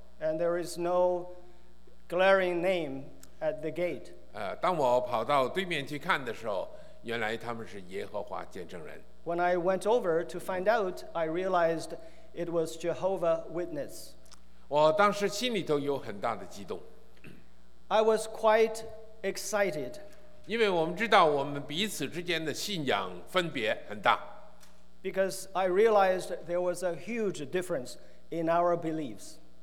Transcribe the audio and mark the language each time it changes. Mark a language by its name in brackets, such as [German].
[English] And there is no glaring name at the gate. [Chinese] 当我跑到对面去看的时候，原来他们是耶和华见证人。 [English] When I went over to find out, I realized it was Jehovah Witness. [Chinese] 我当时心里头有很大的激动。 [English] I was quite excited. [Chinese] 因为我们知道我们彼此之间的信仰分别很大。 [English] Because I realized there was a huge difference in our beliefs.